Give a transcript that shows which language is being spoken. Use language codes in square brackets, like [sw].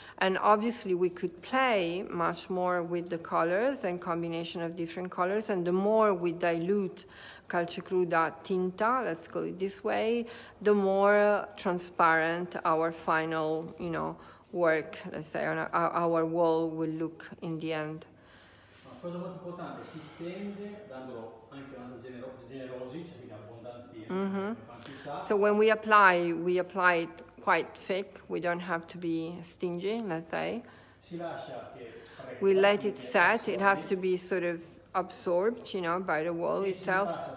[en] And obviously we could play much more with the colors and combination of different colors, and the more we dilute calce cruda tinta, let's call it this way, the more transparent our final, you know, work, let's say, on our wall will look in the end. [it] Cosa molto importante, si stende dandolo anche una generosi, cioè quindi abbondanti quantità. [en] So when we apply it quite thick, we don't have to be stingy, let's say. [it] Si lascia che [en] we let it set, it has to be sort of absorbed, you know, by the wall itself.